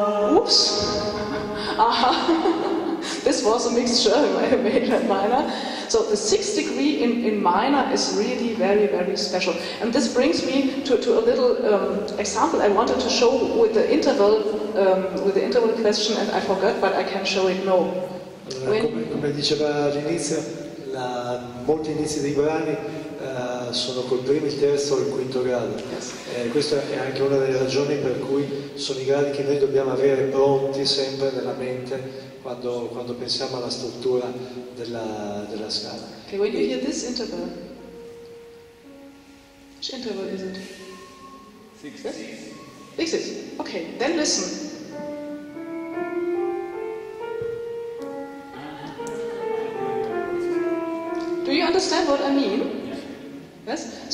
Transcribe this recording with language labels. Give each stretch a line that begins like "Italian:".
English: Oops! Aha! This was a mixture in my major and minor. So the sixth degree in minor is really very, very special. And this brings me to a little example I wanted to show with the interval question, and I forgot, but I can show it now.
Italian: Come diceva all'inizio, molti inizi dei brani sono col primo, il terzo o il quinto grado. Questa è anche una delle ragioni per cui sono i gradi che noi dobbiamo avere pronti sempre nella mente quando pensiamo alla struttura della scala.
English: Okay, when you hear this interval, which interval is it? Sixth. Sixth. Okay, then listen. Do you understand what I mean? Yes.